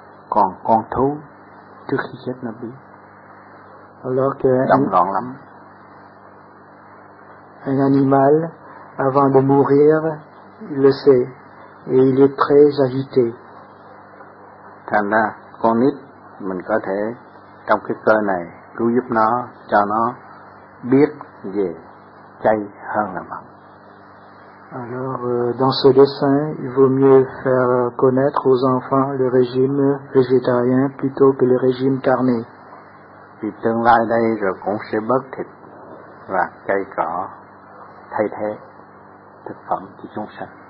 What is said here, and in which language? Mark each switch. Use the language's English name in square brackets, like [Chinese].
[Vietnamese] Còn con thú trước khi chết nó bị đậm loạn lắm. [French] Un animal avant de mourir, il le sait et il est très agité. [Vietnamese] Thành ra con nít mình có thể trong cái cơ này cứu giúp nó, cho nó biết về chay hơn là mặn. [French] Alors dans ce dessin, il vaut mieux faire connaître aux enfants le régime végétarien plutôt que le régime carné. [Vietnamese] Vì tương lai đây rồi cũng sẽ bớt thịt và cây cỏ thay thế thực phẩm cho chúng sanh.